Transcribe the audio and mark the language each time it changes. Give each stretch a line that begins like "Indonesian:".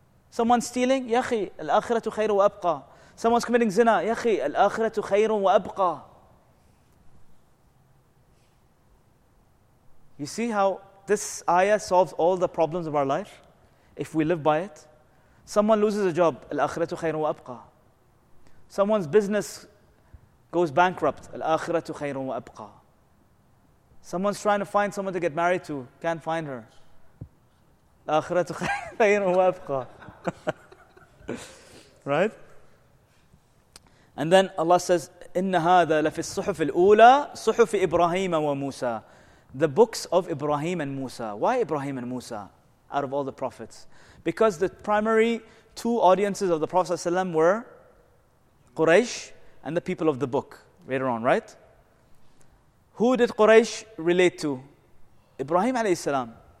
English: Someone stealing,
Arabic: يَا أَخِي الْآخِرَةُ خَيْرٌ وَأَبْقَى.
English: Someone's committing zina,
Arabic: يَا أَخِي الْآخِرَةُ خَيْرٌ وَأَبْقَى.
English: You see how this ayah solves all the problems of our life? If we live by it. Someone loses a job,
Arabic: الْآخِرَةُ خَيْرٌ وَأَبْقَى.
English: Someone's business goes bankrupt, الْآخِرَةُ خَيْرٌ وَأَبْقَى. Someone's trying to find someone to get married to, can't find her.
Arabic: الْآخِرَةُ خَيْرٌ وَأَبْقَى.
English: Right? And then Allah says,
Arabic: إِنَّ هَذَا لَفِي الصُّحُفِ الْأُولَى صُحُفِ إِبْرَاهِيمَ وَمُوسَى.
English: The books of Ibrahim and Musa. Why Ibrahim and Musa out of all the prophets? Because the primary two audiences of the Prophet ﷺ were Quraysh and the people of the book later on, right? Who did Quraysh relate to? Ibrahim alayhi salam.